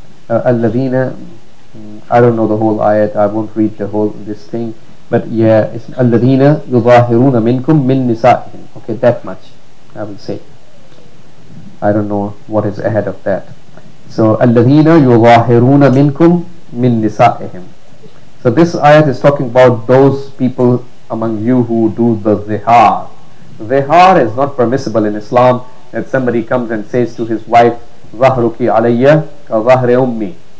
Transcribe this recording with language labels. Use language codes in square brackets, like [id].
[en] الَّذِينَ, I don't know the whole ayat, I won't read the whole this thing. But yeah, it's [ar] الَّذِينَ يُظَاهِرُونَ مِنْكُمْ مِنْ نِسَائِهِمْ. [en] Okay, that much I will say. I don't know what is ahead of that. [ar] So الَّذِينَ يُظَاهِرُونَ مِنْكُمْ مِنْ نِسَائِهِمْ. [en] So this ayat is talking about those people among you who do the zihar. Zihar is not permissible in Islam, that somebody comes and says to his wife, [ar] ظَهْرُكِ عَلَيَّ كَظَهْرِ أُمِّي.